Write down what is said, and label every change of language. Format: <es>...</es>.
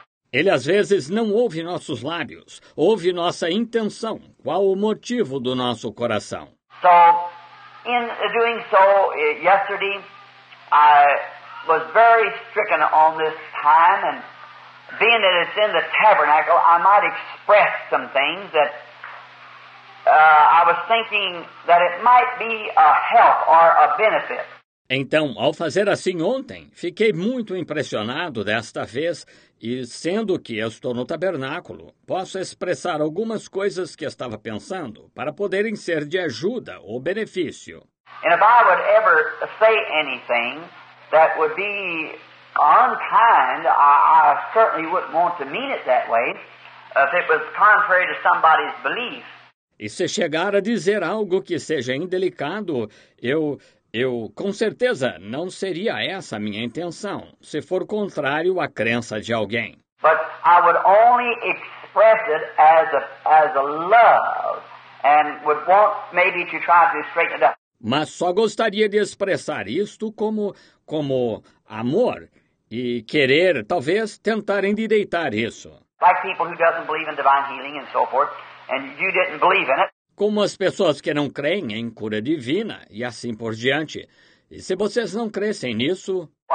<pt>Ele às vezes não ouve nossos lábios, ouve nossa intenção, qual o motivo do nosso coração.</pt> <en>So, in doing so, yesterday, I was very stricken on this time, and being that it's in the tabernacle, I might express some things that I was thinking that it might be a help or a benefit.</en> <pt>Então, ao fazer assim ontem, fiquei muito impressionado desta vez, e sendo que eu estou no tabernáculo, posso expressar algumas coisas que estava pensando para poderem ser de ajuda ou benefício.</pt> <en>And if I would ever say anything that would be unkind, I certainly wouldn't want to mean it that way, if it was contrary to somebody's belief.</en> <pt>E se chegar a dizer algo que seja indelicado, eu, com certeza, não seria essa a minha intenção, se for contrário à crença de alguém.</pt> <en>But I would only express it as a love, and would want maybe to try to straighten it up.</en> <pt>Mas só gostaria de expressar isto como amor e querer, talvez, tentar endireitar isso.</pt> <en>Like people who doesn't believe in divine healing and so forth, and you didn't believe in it.</en> <pt>Como as pessoas que não creem em cura divina e assim por diante. E se vocês não crescem nisso?</pt>